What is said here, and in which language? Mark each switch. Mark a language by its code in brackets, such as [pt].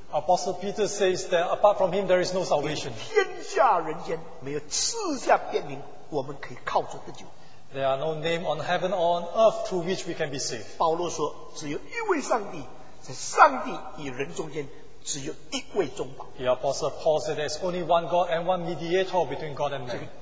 [en] Apostle Peter says that apart from him, there is no salvation. [zh] 天下人间, 没有赐下便名, 我们可以靠着得救。 [en] There are no name on heaven or on earth through which we can be saved. [zh] 保罗说, 只有一位上帝, 在上帝与人中间, 只有一位中保。 [en] The Apostle Paul said there is only one God and one mediator between God and man.